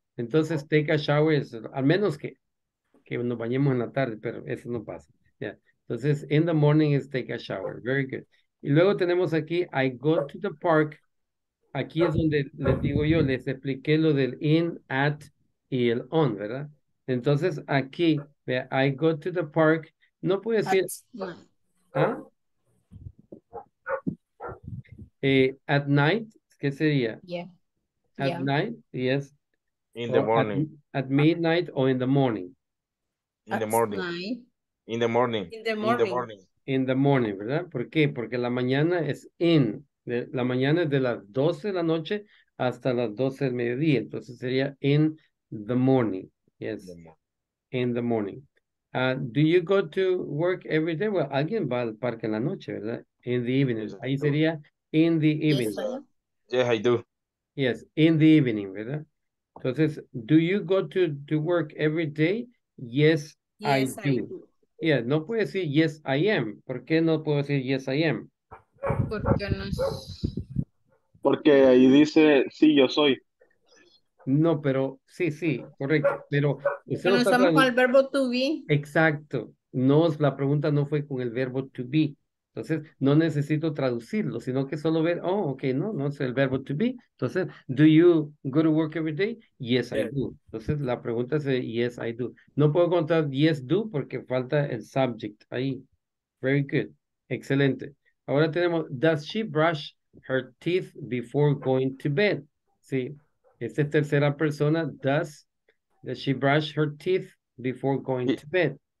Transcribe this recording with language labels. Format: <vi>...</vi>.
<es>Entonces,</es> <en>take a shower</en> <es>es, al menos que nos bañemos en la tarde, pero eso no pasa.</es> <en>Yeah. Entonces, in the morning is take a shower. Very good.</en> <es>Y luego tenemos aquí,</es> <en>I go to the park.</en> <es>Aquí es donde les digo yo, les expliqué lo del in, at y el on, ¿verdad? Entonces, aquí,</es> <en>I go to the park.</en> <es>No puede decir... ¿Ah?</es> <en>At night,</en> <es>¿qué sería?</es> <en>Yeah. At yeah. night, yes. In the morning. At midnight or in the morning? In the morning. Night. In the morning. In the morning. In the morning. In the morning,</en> <es>¿verdad? ¿Por qué? Porque la mañana es in. La mañana es de las 12 de la noche hasta las 12 del mediodía. Entonces sería</es> <en>in the morning. Yes. In the morning. Do you go to work every day?</en> <es>Well, alguien va al parque en la noche, ¿verdad?</es> <en>In the evening. Yes,</en> <es>ahí sería</es> <en>in the evening. Yes, I do. Yes, in the evening, ¿verdad? Entonces, do you go to work every day? Yes, yes I do. Yeah,</en> <es>no puede decir</es> <en>yes, I am.</en> <es>¿Por qué no puedo decir</es> <en>yes, I am?</en> <es>Porque no es... Porque ahí dice, sí, yo soy. No, pero sí, correcto. Pero usted no estamos hablando... con el verbo to be. Exacto. La pregunta no fue con el verbo to be. Entonces, no necesito traducirlo, sino que solo ver, oh, ok, no, no es el verbo to be.</es> <en>Entonces, do you go to work every day? Yes, yeah. I do.</en> <es>Entonces, la pregunta es,</es> <en>yes, I do.</en> <es>No puedo contar</es> <en>yes, do,</en> <es>porque falta el subject ahí.</es> <en>Very good. Excelente. Ahora tenemos, does she brush her teeth before going to bed? Sí.</en> <es>Esta es tercera persona.</es> <en>Does she brush her teeth before going to bed?</en>